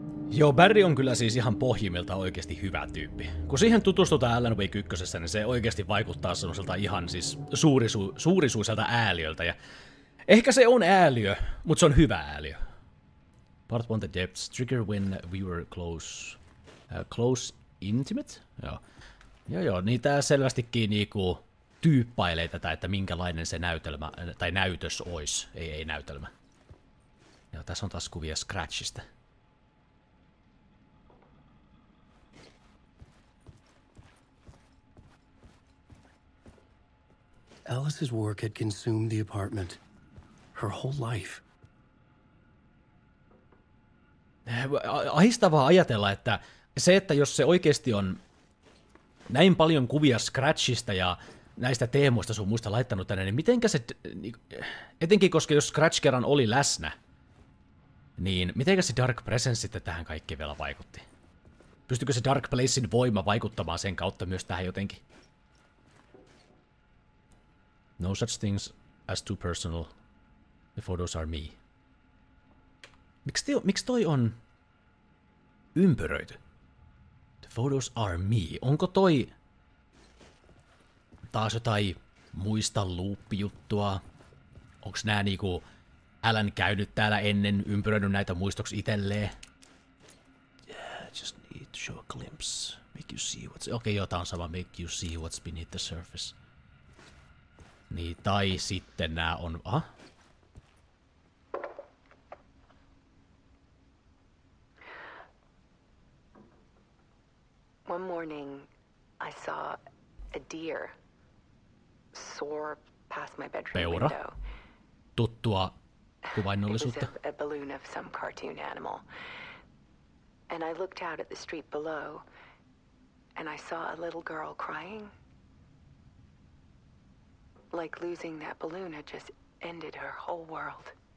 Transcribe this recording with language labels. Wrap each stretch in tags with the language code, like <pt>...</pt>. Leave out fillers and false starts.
<fi>Joo, Barry on kyllä siis ihan pohjimmilta oikeasti hyvä tyyppi. Kun siihen tutustutaan Alan Wake 1, niin se oikeasti vaikuttaa semmoiselta ihan siis suurisuiselta ääliöltä. Ja ehkä se on ääliö, mutta se on hyvä ääliö.</fi> <en>Part 1 The Depths, trigger when we were close. Close intimate?</en> <fi>Joo. Joo, niin tää selvästikin niinku tyyppailee tätä, että minkälainen se näytelmä, tai näytös olisi. Ei näytelmä. Joo, tässä on taas kuvia Scratchista.</fi> <en>Alice's work had consumed the apartment. Her whole life.</en> <fi>Ahistavaa ajatella, että se, että jos se oikeasti on näin paljon kuvia Scratchista ja näistä teemoista sun muista laittanut tänne, niin mitenkä se, etenkin koska jos Scratch kerran oli läsnä, niin mitenkä se Dark Presence sitten tähän kaikkeen vielä vaikutti? Pystyykö se Dark Placein voima vaikuttamaan sen kautta myös tähän jotenkin?</fi> <en>No such things as too personal. The photos are me.</en> <fi>Miksi toi on ympyröity?</fi> <en>The photos are me.</en> <fi>Onko toi taas jotain muista loop-juttua? Onks nää niinku Alan käynyt täällä ennen, ympyröinyt näitä muistoksi itelleen?</fi> <en>Yeah, I just need to show a glimpse. Make you see what's...</en> <fi>Okei, joo, tää on sama.</fi> <en>Make you see what's beneath the surface.</en> <fi>Niin, tai sitten nää on... Ah?</fi> <en>One morning, I saw a deer soar past my bedroom</en> <fi>Peura.</fi> <en>Window.</en> <fi>Tuttua kuvainnollisuutta.</fi> <en>It was a balloon of some cartoon animal. And I looked out at the street below, and I saw a little girl crying. Like losing that balloon had just ended her whole world.</en>